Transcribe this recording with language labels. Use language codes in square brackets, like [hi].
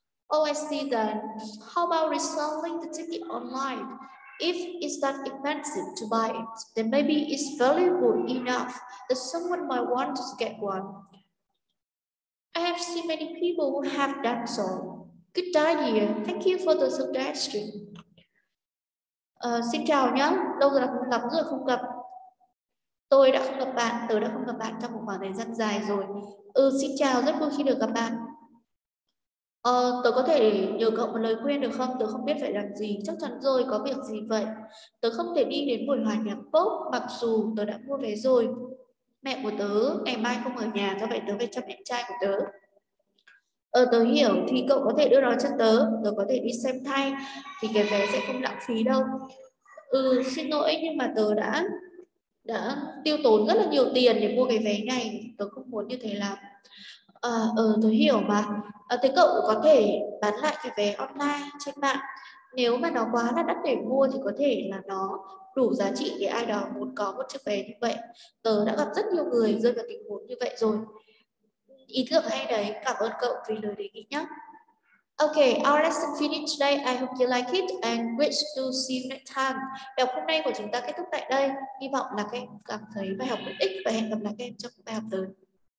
[en] Oh, I see then. How about reselling the ticket online? If it's that expensive to buy it, then maybe it's valuable enough that someone might want to get one. I have seen many people who have done so. Good idea. Thank you for the suggestion. [vi] Xin chào nhé. Lâu rồi không gặp. Tôi đã không gặp bạn, tớ đã không gặp bạn trong một khoảng thời gian dài rồi. Xin chào, rất vui khi được gặp bạn. Tớ có thể nhờ cậu một lời khuyên được không? Tớ không biết phải làm gì, chắc chắn rồi, có việc gì vậy? Tớ không thể đi đến buổi hòa nhạc pop mặc dù tớ đã mua vé rồi. Mẹ của tớ ngày mai không ở nhà, do vậy tớ về cho mẹ trai của tớ. Tớ hiểu, thì cậu có thể đưa nó cho tớ, tớ có thể đi xem thay, thì cái vé sẽ không lãng phí đâu. Xin lỗi nhưng mà tớ đã tiêu tốn rất là nhiều tiền để mua cái vé này, tớ không muốn như thế lắm. Tớ hiểu mà. Thế cậu có thể bán lại cái vé online trên mạng, nếu mà nó quá là đắt để mua thì có thể là nó đủ giá trị để ai đó muốn có một chiếc vé như vậy. Tớ đã gặp rất nhiều người rơi vào tình huống như vậy rồi. Ý tưởng hay đấy, cảm ơn cậu vì lời đề nghị nhé. [en] Okay, our lesson finished today. I hope you like it and wish to see you next time. [vi] Bài học hôm nay của chúng ta kết thúc tại đây. Hy vọng là các em cảm thấy bài học hữu ích và hẹn gặp lại các em trong bài học tới.